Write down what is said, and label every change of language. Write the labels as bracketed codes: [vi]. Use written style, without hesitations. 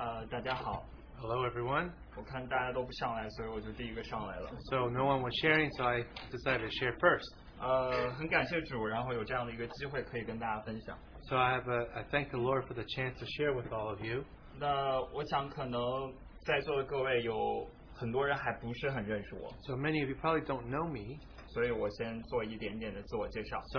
[zh] 大家好。Hello [en] everyone. [zh] 我看大家都不上来，所以我就第一个上来了。So [en] no one was sharing, so I decided to share first. [zh] 很感谢主，然后有这样的一个机会可以跟大家分享。So [en] I thank the Lord for the chance to share with all of you. [zh] 那我想可能在座的各位有很多人还不是很认识我。So [en] many of you probably don't know me. [zh] 所以我先做一点点的自我介绍。So